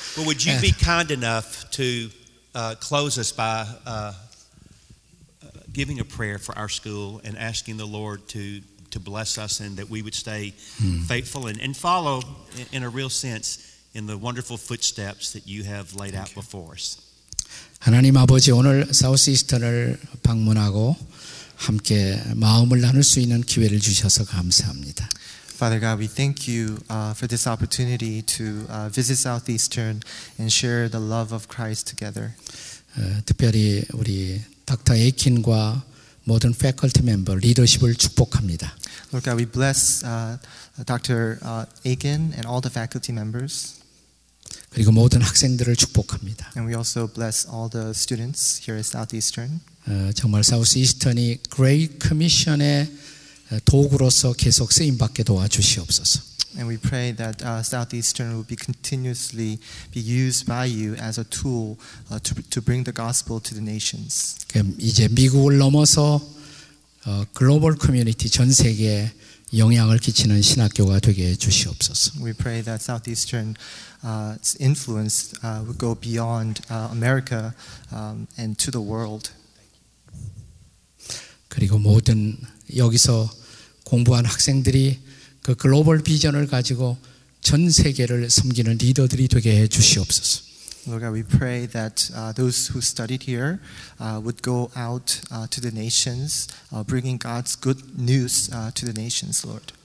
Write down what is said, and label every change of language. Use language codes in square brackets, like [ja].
[en] Well, would you be kind enough to close us by giving a prayer for our school and asking the Lord to bless us and that we would stay faithful and follow in a real sense in the wonderful footsteps that you have laid out before us. [ko] 하나님 아버지 오늘 사우스이스턴을 방문하고 함께 마음을 나눌 수 있는 기회를 주셔서 감사합니다. [en] Father God, we thank you for this opportunity to visit Southeastern and share the love of Christ together. [ko] 특별히 우리 닥터 에이킨과 모든 faculty member 리더십을 축복합니다. [en] Lord God, we bless Dr. Aiken and all the faculty members. [ko] 그리고 모든 학생들을 축복합니다. [en] And we also bless all the students here at Southeastern. [ko] 정말 사우스 이스턴이 Great Commission의 도구로서 계속 쓰임 받게 도와주시옵소서. [en] And we pray that Southeastern will be continuously be used by you as a tool to bring the gospel to the nations. [ko] 이제 미국을 넘어서 글로벌 커뮤니티 전 세계에 영향을 끼치는 신학교가 되게 해 주시옵소서. [en] We pray that Southeastern's influence will go beyond America and to the world. [ko] 그리고 모든 여기서 공부한 학생들이 그 글로벌 비전을 가지고 전 세계를 섬기는 리더들이 되게 해 주시옵소서. [en] Lord God, we pray that those who studied here would go out to the nations, bringing God's good news to the nations, Lord.